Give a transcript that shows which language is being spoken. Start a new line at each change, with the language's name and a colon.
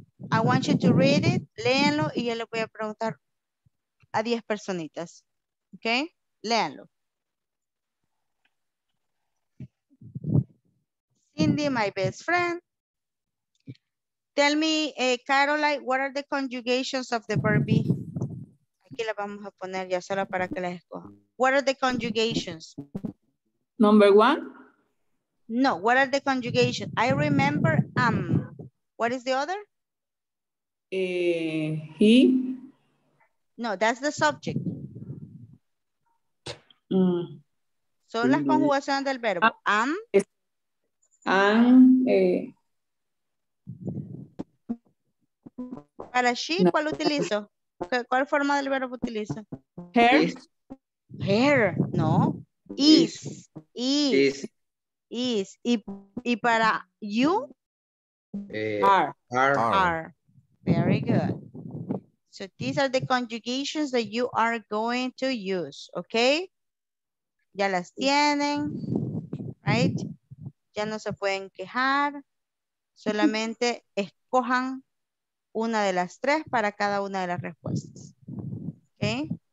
English: I want you to read it,
Spanish: léanlo, y yo le voy a preguntar a 10 personitas, okay? Léanlo.
English: Cindy, my best friend. Tell me, Caroline, what are the conjugations of the verb be?
Spanish: Aquí la vamos a poner ya solo para que la escojan.
English: What are the conjugations? Number one. No, what are the conjugations? I remember am. What is the other? He. No, that's the subject. Mm.
Spanish: So mm-hmm. Las conjugaciones del verbo. Am. Para she, no. ¿Cuál utilizo? ¿Cuál forma del verbo utilizo?
English: Her. Her, no. Is.
Spanish: ¿Y para
English: you? Are. Very good. So these are the conjugations that you are going to use, okay?
Spanish: ya las tienen, right? Ya no se pueden quejar, solamente escojan una de las tres para cada una de las respuestas, okay?